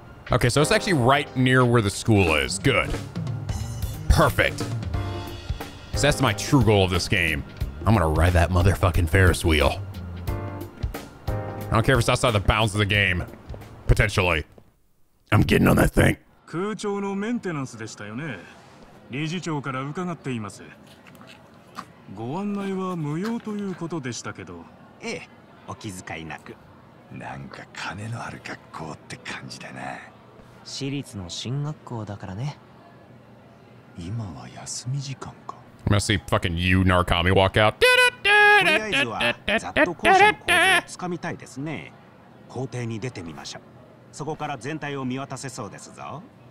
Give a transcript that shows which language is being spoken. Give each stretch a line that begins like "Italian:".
English: Okay, so it's actually right near where the school is. Good. Perfect. So that's my true goal of this game. I'm gonna ride that motherfucking Ferris wheel. I don't care if it's outside the bounds of the game. Potentially. I'm getting on that thing.
Japanese: 空調のメンテナンスでしたよね。理事長から伺っています。ご案内は無用ということでしたけど。ええ、 お気遣いなく。なんか金のある学校って感じだな。私立の進学校だからね。今は休み時間か。
English: I'm gonna see fucking you, Narkami, walk out.
Japanese: とりあえずはざっと校舎の構図をつかみたいですね。校庭に出てみましょう。そこから全体を見渡せそうですぞ。